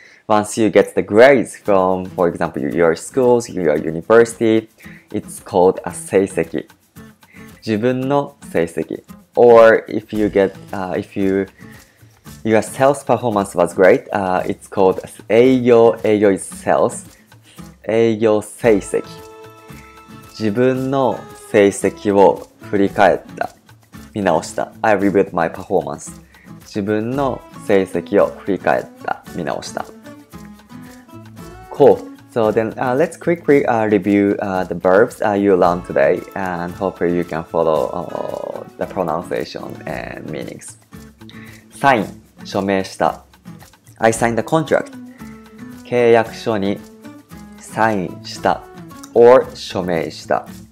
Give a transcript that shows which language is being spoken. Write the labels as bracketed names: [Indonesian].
[English] Once you get the grades from, for example, your schools, your university, it's called a 成績。 [Japanese] 自分の成績。 [English] Or if you get, if you, your sales performance was great, it's called 営業 is sales. [Japanese] 営業成績。自分の成績を振り返った。見直した。 [English] I reviewed my performance. [Japanese] 自分の成績を振り返った。見直した。Cool. [English] So then let's quickly review the verbs you learned today and hopefully you can follow the pronunciation and meanings. Sign. [Japanese] 署名した。 [English] I signed the contract. [Japanese] 契約書にサインした。Or 署名した。